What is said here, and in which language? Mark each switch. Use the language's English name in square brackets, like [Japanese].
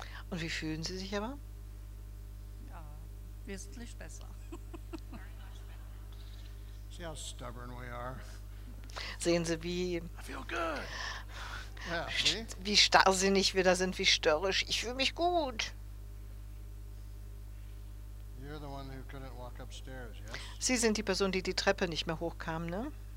[German] Und wie fühlen Sie sich aber? Ja, wesentlich besser. [English] See how stubborn we are. [German] Sehen Sie, wie, [English] I feel good. [German] Wie starrsinnig wir da sind, wie störrisch. Ich fühle mich gut. [English] You're the one who couldn't walk upstairs, yes? [German] Sie sind die Person, die die Treppe nicht mehr hochkam, ne?